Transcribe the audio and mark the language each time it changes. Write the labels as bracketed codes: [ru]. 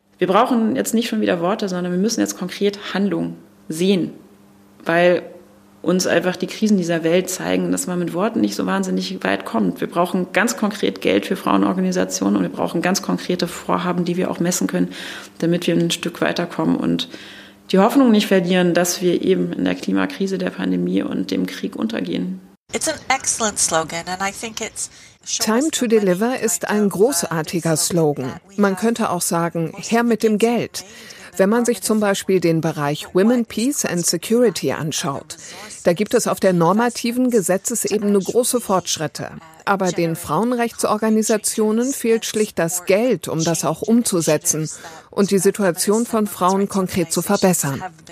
[de] Wir brauchen jetzt nicht schon wieder Worte, sondern wir müssen jetzt konkret Handlung sehen, weil uns einfach die Krisen dieser Welt zeigen, dass man mit Worten nicht so wahnsinnig weit kommt. Wir brauchen ganz konkret Geld für Frauenorganisationen und wir brauchen ganz konkrete Vorhaben, die wir auch messen können, damit wir ein Stück weiterkommen und die Hoffnung nicht verlieren, dass wir eben in der Klimakrise, der Pandemie und dem Krieg untergehen. [en] It's an excellent slogan and I think it's Time to deliver [de] ist ein großartiger Slogan. Man könnte auch sagen, her mit dem Geld. Wenn man sich zum Beispiel den Bereich Women, Peace and Security anschaut, da gibt es auf der normativen Gesetzesebene große Fortschritte. Aber den Frauenrechtsorganisationen fehlt schlicht das Geld, um das auch umzusetzen und die Situation von Frauen konkret zu verbessern.